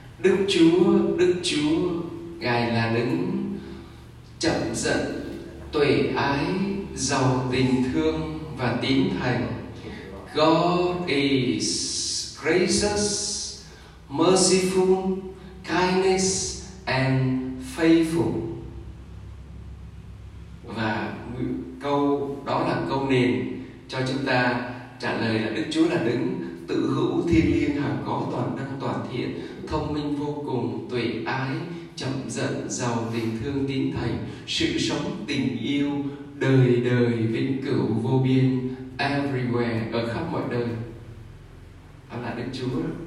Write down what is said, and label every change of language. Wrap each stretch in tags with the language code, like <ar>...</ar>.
<vi>Đức Chúa, Ngài là Đấng chậm giận, tuệ ái, giàu tình thương và tín thành.</vi> <en>God is gracious, merciful, kindness, and faithful.</en> <vi>Và câu đó là câu nền cho chúng ta trả lời là Đức Chúa là Đấng tự hữu, thiên liêng, hằng có, toàn năng, toàn thiện, thông minh vô cùng, tuệ ái, chậm giận, giàu tình thương, tín thành, sự sống, tình yêu, đời đời, vĩnh cửu, vô biên, everywhere, ở khắp mọi nơi. Đó là Đức Chúa.</vi>